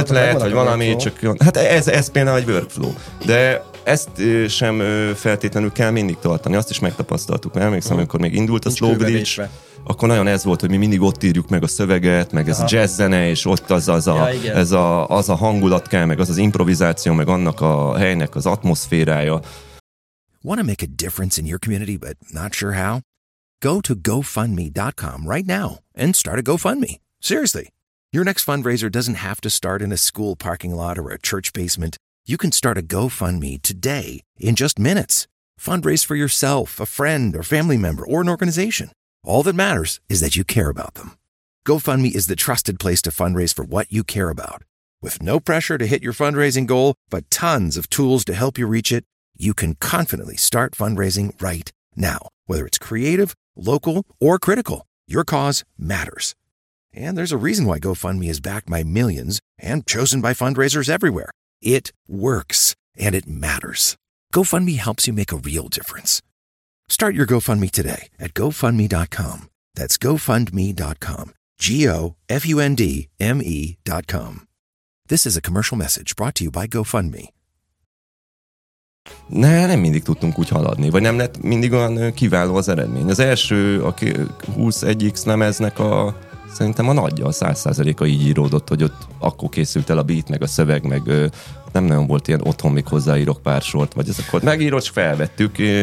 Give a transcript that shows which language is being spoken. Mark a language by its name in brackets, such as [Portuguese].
[Hungarian] Ötlet, vagy valami, csak hát ez például egy workflow. De ezt sem feltétlenül kell mindig tartani. Azt is megtapasztaltuk. Emlékszem, amikor még indult a Slow Bridge, akkor nagyon ez volt, hogy mi mindig ott írjuk meg a szöveget, meg ez jazz zene, és ott az a hangulat kell, meg az az improvizáció, meg annak a helynek az atmoszférája. [English] Want to make a difference in your community, but not sure how? Go to GoFundMe.com right now and start a GoFundMe. Seriously. Your next fundraiser doesn't have to start in a school parking lot or a church basement. You can start a GoFundMe today in just minutes. Fundraise for yourself, a friend, or family member, or an organization. All that matters is that you care about them. GoFundMe is the trusted place to fundraise for what you care about. With no pressure to hit your fundraising goal, but tons of tools to help you reach it, you can confidently start fundraising right now. Whether it's creative, local, or critical, your cause matters. And there's a reason why GoFundMe is backed by millions and chosen by fundraisers everywhere. It works, and it matters. GoFundMe helps you make a real difference. Start your GoFundMe today at GoFundMe.com. That's GoFundMe.com. GoFundMe.com. This is a commercial message brought to you by GoFundMe. [Hungarian] Nem mindig tudtunk úgy haladni, vagy nem lett mindig olyan kiváló az eredmény. Az első, a 21X lemeznek a szerintem a nagyja, a 100%-a így íródott, hogy ott akkor készült el a beat, meg a szöveg, meg nem nagyon volt ilyen otthon, még hozzáírok pár sort, vagy ez akkor megírod, és felvettük.